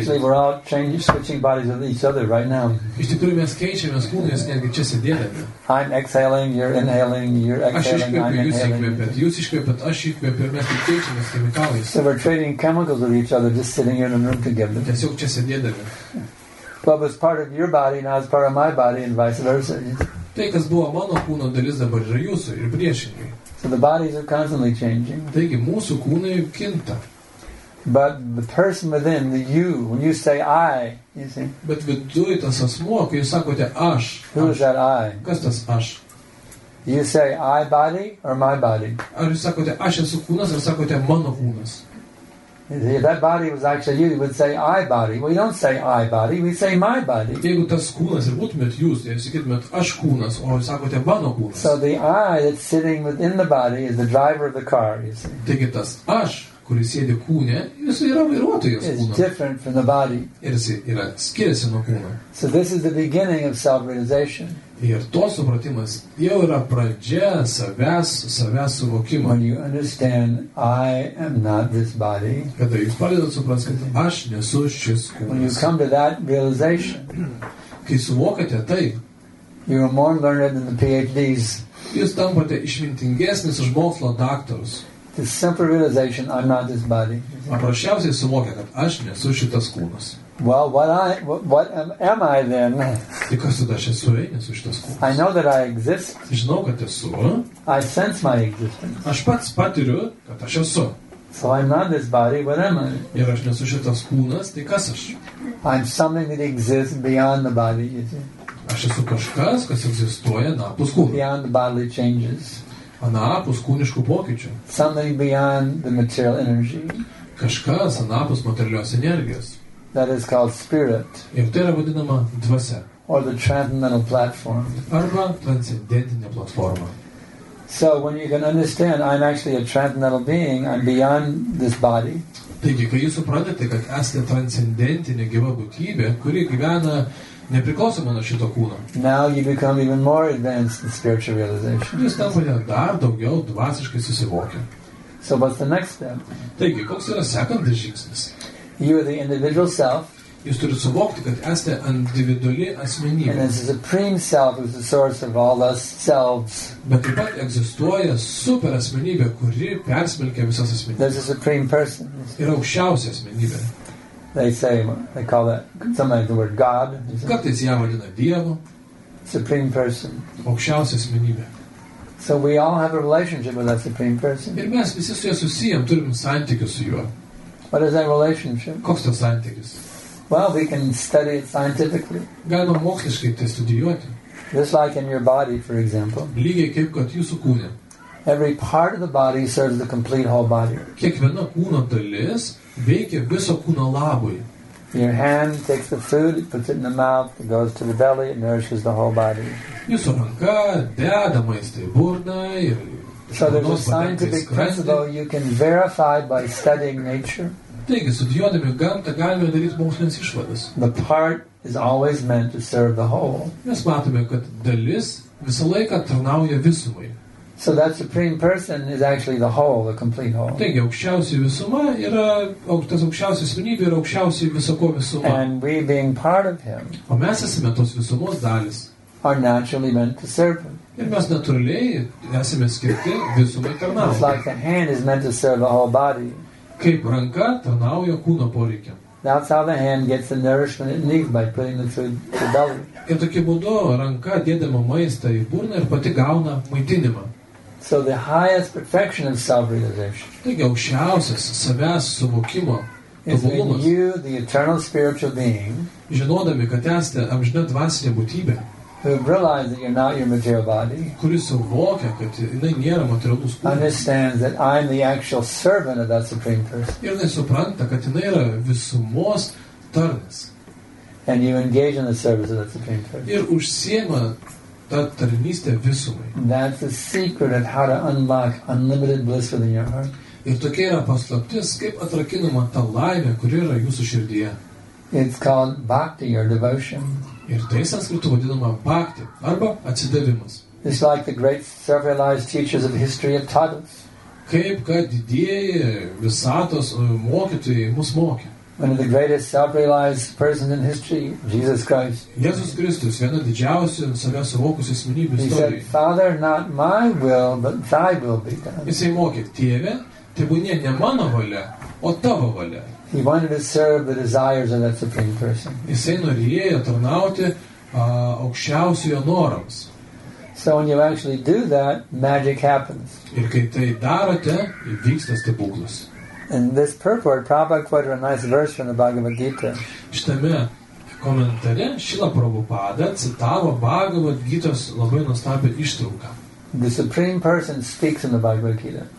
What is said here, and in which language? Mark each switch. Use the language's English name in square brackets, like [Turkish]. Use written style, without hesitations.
[English] Actually, we're all changing, switching bodies with each other right now. [Lithuanian] Iš tikrųjų, mes keičiamės kūnais, netgi čia sėdėdami. [English] I'm exhaling, you're inhaling, you're exhaling, I'm inhaling. [Lithuanian] Jūs iškvėpėt, aš iškvėpėt, mes tik keičiamės chemikalais. [English] So we're trading chemicals with each other, just sitting here in a room together. [Lithuanian] Tiesiog čia sėdėdami. [English] What was part of your body, now is part of my body, and vice versa. [Lithuanian] Tai, kas buvo mano kūno dalis, dabar yra jūsų ir priešingai. [English] So the bodies are constantly changing. [Lithuanian] Taigi, mūsų kūnai kinta. [English] But the person within, the you, when you say I, you see. [Lithuanian] Bet viduj tas asmuo, kai jūs sakote aš. [English] Who is that I? [Lithuanian] Kas tas aš? [English] You say I body or my body? [Lithuanian] Ar jūs sakote aš esu kūnas, ar sakote mano kūnas? [English] If that body was actually you, you would say I body. We don't say I body, we say my body. [Lithuanian] Jeigu tas kūnas ir būtumėt jūs, jūs sakytumėt aš kūnas, o jūs sakote mano kūnas. [English] So the I that's sitting within the body is the driver of the car, you see. [Lithuanian] Taigi tas aš, kuris sėdi kūne, jis yra vairuotojas kūno. [English] It's different from the body. [Lithuanian] Ir jis yra skiriasi nuo kūno. [English] So this is the beginning of self-realization. [Lithuanian] Ir to supratimas jau yra pradžia savęs suvokimo. [English] When you understand, I am not this body. [Lithuanian] Kada jūs pradedat suprast, kad aš nesu šis kūnas. [English] When you come to that realization. [Lithuanian] Kai suvokate tai. [English] You are more learned than the PhDs. [Lithuanian] Jūs tampate išmintingesnis už mokslo daktarus. [English] The simple realization, I'm not this body. [Lithuanian] Paprasčiausiai suvokia, kad aš nesu šitas kūnas. [English] Well, what am I then? I know that I exist. [Lithuanian] Žinau, kad esu. [English] I sense my existence. [Lithuanian] Aš pats patiriu, kad aš esu. [English] So I'm not this body, what am I? [Lithuanian] Ir aš nesu šitas kūnas, tai kas aš? [English] I'm something that exists beyond the body. [Lithuanian] Aš esu kažkas, kas egzistuoja napus kūnų. [English] Beyond the bodily changes. [Lithuanian] Anapus kūniškų pokyčių. [English] Something beyond the material energy. [Lithuanian] Kažkas anapus materialios energijos. [English] That is called spirit. [Lithuanian] Ir tai yra vadinama dvasia. [English] Or the transcendental platform. [Lithuanian] Arba transcendentinė platforma. [English] So when you can understand, I'm actually a transcendental being, I'm beyond this body. [Lithuanian] Taigi, kai jūs supratėte, kad esate transcendentinė gyva būtybė, kuri gyvena nepriklausoma nuo šito kūno. [English] Now you become even more advanced in spiritual realization. [Lithuanian] Jūs tampate dar daugiau dvasiškai susivokę. [English] So what's the next step? [Lithuanian] Taigi, koks yra sekantis žingsnis? [English] You are the individual self. [Lithuanian] Jūs turite suvokti, kad esate individuali asmenybė. [English] And the supreme self is the source of all those selves. [Lithuanian] Bet taip pat egzistuoja super asmenybė, kuri persmelkia visas asmenybės. [English] There's a supreme person. [Lithuanian] Yra aukščiausia asmenybė. [English] They call that sometimes the word God. [Lithuanian] Kartais ją vadina Dievu. [English] Supreme person. [Lithuanian] Aukščiausia asmenybė. [English] So we all have a relationship with that supreme person. [Lithuanian] Ir mes visi su juo susijam, turim santykių su juo. [English] What is that relationship? [Lithuanian] Koks tas santykis? [English] Well, we can study it scientifically. [Lithuanian] Galima moksliškai tai studijuoti. [English] Just like in your body, for example. [Lithuanian] Lygiai kaip kad jūsų kūne. [English] Every part of the body serves the complete whole body. [Lithuanian] Kiekviena kūno dalis veikia viso kūno labui. [English] Your hand takes the food, it puts it in the mouth, it goes to the belly, it nourishes the whole body. [Lithuanian] Jūsų ranka deda maistą į burną ir... [English] So there's a scientific principle you can verify by studying nature. [Lithuanian] Taigi, studijuodami gamtą galime daryti mokslinės išvadas. [English] The part is always meant to serve the whole. [Lithuanian] Mes matome, kad dalis visą laiką tarnauja visumai. [English] So that supreme person is actually the whole, the complete whole. [Lithuanian] Taigi, aukščiausia visuma yra, tas aukščiausia asmenybė yra aukščiausia visako visuma. [English] And we being part of him. [Lithuanian] O mes esame tos visumos dalis. [English] Are naturally meant to serve him. [Lithuanian] Ir mes natūraliai esame skirti visumai tarnauti. [English] It's like the hand is meant to serve the whole body. [Lithuanian] Kaip ranka tarnauja kūno poreikiam. [English] That's how the hand gets the nourishment it needs by putting the food to the belly. [Lithuanian] Ir tokiu būdu ranka dėdama maistą į burną ir pati gauna maitinimą. [English] So the highest perfection of self-realization. [Lithuanian] Taigi aukščiausias savęs suvokimo tobulumas. [English] Is in you, the eternal spiritual being. [Lithuanian] Žinodami, kad esate amžina dvasinė būtybė. [English] Who realize that you're not your material body. [Lithuanian] Kuris suvokia, kad jinai nėra materialus kūnas. [English] Understands that I'm the actual servant of that supreme person. [Lithuanian] Ir jinai supranta, kad jinai yra visumos tarnas. [English] And you engage in the service of that supreme person. [Lithuanian] Ir užsiema tą tarnystę visumai. [English] That's the secret of how to unlock unlimited bliss within your heart. [Lithuanian] Ir tokia yra paslaptis, kaip atrakinama ta laimė, kuri yra jūsų širdyje. [English] It's called bhakti or devotion. [Lithuanian] Ir tai sanskritu vadinama bhakti arba atsidavimas. [English] It's like the great self-realized teachers of the history have taught us. [Lithuanian] Kaip kad didieji visatos mokytojai mus mokė. [English] One of the greatest self-realized persons in history, Jesus Christ. [Lithuanian] Jėzus Kristus, viena didžiausių savęs suvokusių asmenybių istorijoje. [English] He said, Father, not my will, but thy will be done. [Lithuanian] Jisai mokė, Tėve, tebūnie ne mano valia, o tavo valia. [English] He wanted to serve the desires of that supreme person. [Lithuanian] Jisai norėjo tarnauti aukščiausiojo norams. [English] So when you actually do that, magic happens. [Lithuanian] Ir kai tai darote, įvyksta stebuklas. [English] And this purport, Prabhupada quoted a nice verse from the Bhagavad Gita. [Lithuanian] Šitame komentare Šila Prabhupada citavo Bhagavad Gitos labai nuostabią ištrauką. [English] The supreme person speaks in the Bhagavad Gita.